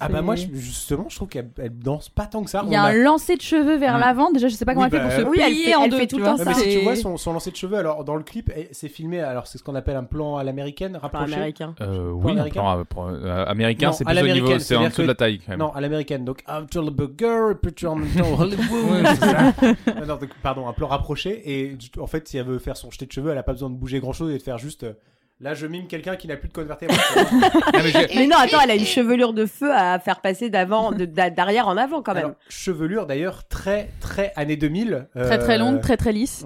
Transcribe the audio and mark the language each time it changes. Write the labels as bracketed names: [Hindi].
[French] Ah bah moi, justement, je trouve qu'elle danse pas tant que ça. Il y a un lancer de cheveux vers l'avant. Déjà, je sais pas comment elle fait pour se plier en deux. Elle fait tout le temps ça. Mais si tu vois son lancer de cheveux, alors dans le clip, c'est filmé. Alors c'est ce qu'on appelle un plan à l'américaine, rapproché. Américain. Oui, américain, c'est plus au niveau, c'est en dessous de la taille. Non, à l'américaine. [English] Donc, after the burger, put your hands on Hollywood. [French] Pardon, un plan rapproché. Et en fait, si elle veut faire son jeté de cheveux, elle a pas besoin de bouger grand chose et de faire juste. Là, je mime quelqu'un qui n'a plus de converti. Mais attends, elle a une chevelure de feu à faire passer d'arrière en avant quand même. Alors, chevelure d'ailleurs très très années 2000. Très très longue, très très lisse.